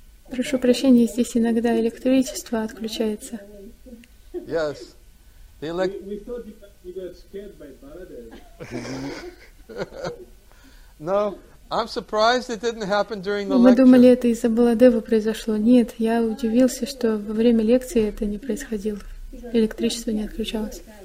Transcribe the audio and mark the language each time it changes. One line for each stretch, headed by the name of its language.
Russian: Прошу прощения, здесь иногда электричество отключается.
English: Yes. No, I'm surprised it didn't happen during the lecture.
Russian: Мы думали, это из-за Баладева произошло. Нет, я удивился, что во время лекции это не происходило. Электричество не отключалось.